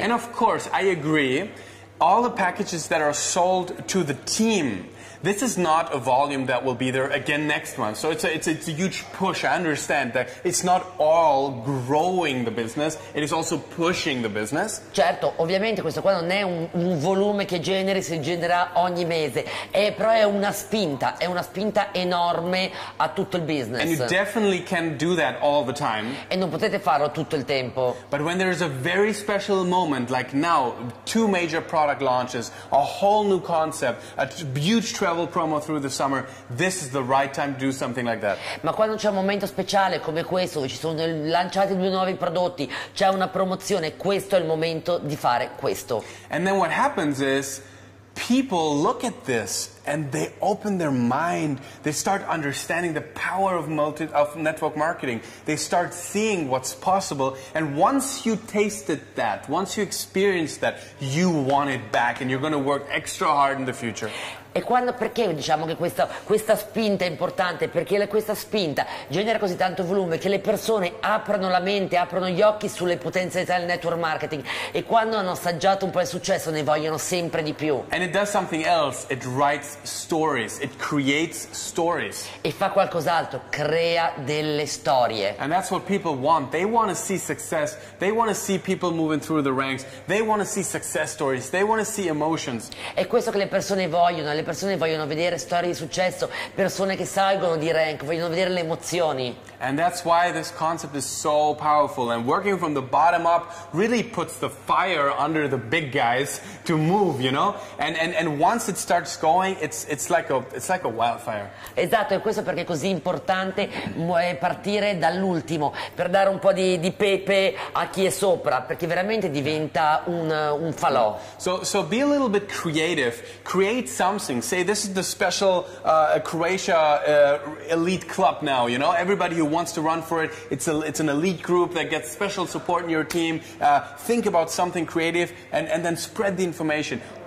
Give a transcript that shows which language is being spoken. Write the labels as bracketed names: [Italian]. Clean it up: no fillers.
[English] And of course, I agree, all the packages that are sold to the team, this is not a volume that will be there again next month. So it's a huge push. I understand that it's not all growing the business, it is also pushing the business. [Italian] Certo, ovviamente questo qua non è un volume che generi, si genererà ogni mese, però è una spinta enorme a tutto il business. [English] And you definitely can do that all the time. [Italian] E non potete farlo tutto il tempo. [English] But when there is a very special moment like now, 2 major product launches, a whole new concept, a huge travel promo through the summer, this is the right time to do something like that. [Italian] Ma quando c'è un momento speciale come questo, ci sono lanciati 2 nuovi prodotti, c'è una promozione, questo è il momento di fare questo. [English] And then what happens is people look at this and they open their mind, they start understanding the power of network marketing, they start seeing what's possible, and once you tasted that, once you experienced that, you want it back and you're going to work extra hard in the future. [Italian] E quando, perché diciamo che questa spinta è importante? Perché questa spinta genera così tanto volume che le persone aprono la mente, aprono gli occhi sulle potenzialità del network marketing, e quando hanno assaggiato un po' il successo ne vogliono sempre di più. [English] And it does something else, it writes stories, it creates stories. [Italian] E fa qualcos'altro, crea delle storie. [English] And that's what people want, they want to see success, they want to see people moving through the ranks, they want to see success stories, they want to see emotions. [Italian] È questo che le persone vogliono. Le persone vogliono vedere storie di successo, persone che salgono di rank, vogliono vedere le emozioni. [English] And that's why this concept is so powerful, and working from the bottom up really puts the fire under the big guys to move, you know? And once it starts going, it's like a wildfire. [Italian] Esatto, è questo perché è così importante partire dall'ultimo per dare un po' di pepe a chi è sopra, perché veramente diventa un falò. [English] So be a little bit creative, create something. Say this is the special Croatia elite club now, you know? Everybody who wants to run for it, it's an elite group that gets special support in your team. Think about something creative and then spread the information.